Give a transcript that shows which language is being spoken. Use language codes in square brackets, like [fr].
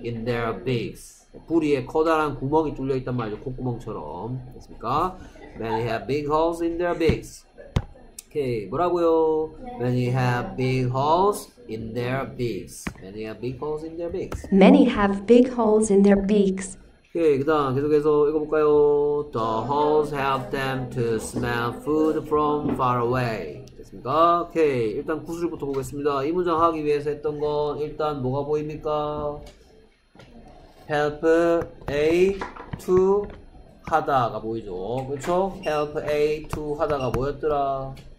[en] in their beaks [ko] 뿌리에 커다란 구멍이 뚫려 있단 말이죠. 콧구멍처럼. 됐습니까? [en] many have big holes in their beaks. [ko] 오케이, 뭐라고요? [en] many have big holes in their beaks. many have big holes in their beaks. many have big holes in their beaks. [ko] 오케이, 그 다음 계속해서 읽어볼까요? [en] The holes help them to smell food from far away. [ko] 됐습니까? 오케이, 일단 구슬부터 보겠습니다. 이 문장 하기 위해서 했던 건 일단 뭐가 보입니까? [en] Help A to [ko] 하다가 보이죠? 그렇죠? [en] Help A to [ko] 하다가 뭐였더라?